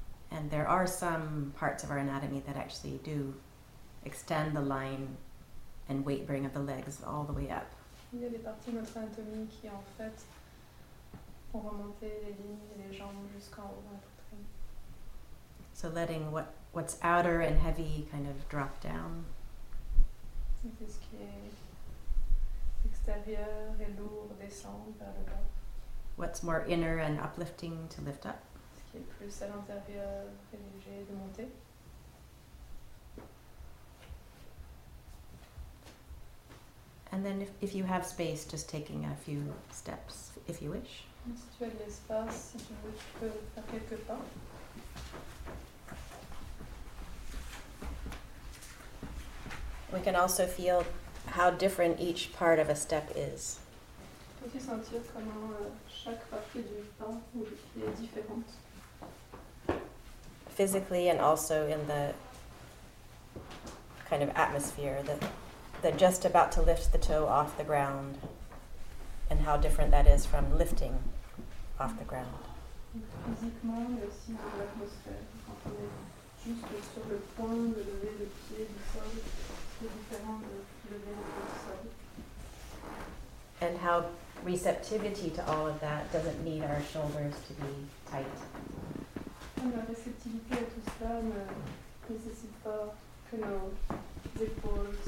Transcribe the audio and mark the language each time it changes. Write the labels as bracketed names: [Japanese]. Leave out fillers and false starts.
[English] And there are some parts of our anatomy that actually do extend the line and weight bearing of the legs all the way up. [French] Il y a des parties de notre anatomie qui en fait font remonter les lignes et les jambes jusqu'en haut dans la poitrine. [English] So letting what's outer and heavy kind of drop down. [French] C'est ce qui est extérieur et lourd descend vers le bas. [English] What's more inner and uplifting to lift up. [French] Ce qui est plus à l'intérieur et léger de monter. [English] And then if you have space, just taking a few steps, if you wish. [French] Si tu as de l'espace, si tu veux, tu peux faire quelques pas. [English] We can also feel how different each part of a step is. [French] On peut aussi sentir comment chaque partie du pas est différente. [English] Physically and also in the kind of atmosphere that... That just about to lift the toe off the ground, and how different that is from lifting off the ground. [French] Physiquement, mais aussi dans l'atmosphère, quand on est juste sur le point de lever le pied du sol, c'est différent de lever le sol. [English] And how receptivity to all of that doesn't need our shoulders to be tight. [French] Et la réceptivité à tout ça ne nécessite pas que nos